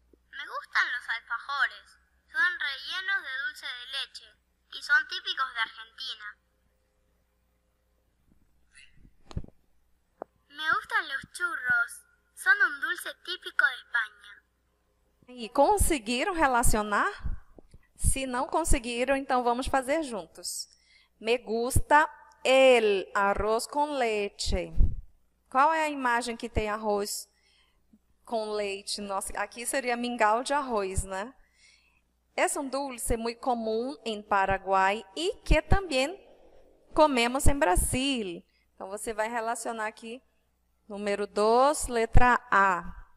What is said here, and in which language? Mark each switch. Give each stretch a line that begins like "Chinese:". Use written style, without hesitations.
Spanish: Me gustan los alfajores. Son rellenos de dulce de leche y son típicos de Argentina. Me gustan los churros. Son un dulce típico de España.
Portuguese: E conseguiram relacionar? Se não conseguiram, então vamos fazer juntos.
Spanish: Me gusta el arroz con leche.
Portuguese: Qual é a imagem que tem arroz com leite? Nossa, aqui seria mingau de arroz, né?
Spanish: Es un dulce muy común en Paraguay y que también comemos en Brasil.
Portuguese: Então você vai relacionar aqui número 2, letra A.